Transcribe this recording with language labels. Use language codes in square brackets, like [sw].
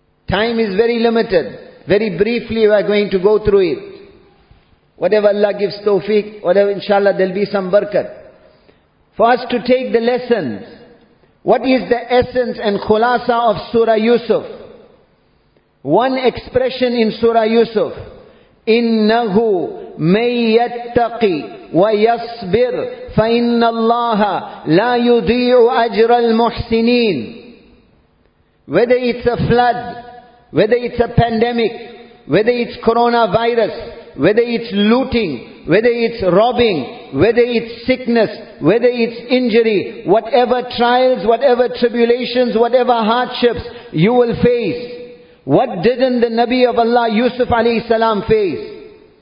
[en] Time is very limited. Very briefly we are going to go through it. Whatever Allah gives tawfiq, whatever inshallah, there'll be some barakat. For us to take the lessons, what is the essence and khulasa of Surah Yusuf? One expression in Surah Yusuf, [ar] إِنَّهُ مَنْ يَتَّقِ وَيَصْبِرْ فَإِنَّ اللَّهَ لَا يُضِيعُ أَجْرَ الْمُحْسِنِينَ. [en] Whether it's a flood, whether it's a pandemic, whether it's coronavirus, whether it's looting, whether it's robbing, whether it's sickness, whether it's injury, whatever trials, whatever tribulations, whatever hardships you will face, what didn't the Nabi of Allah Yusuf alayhi salam face?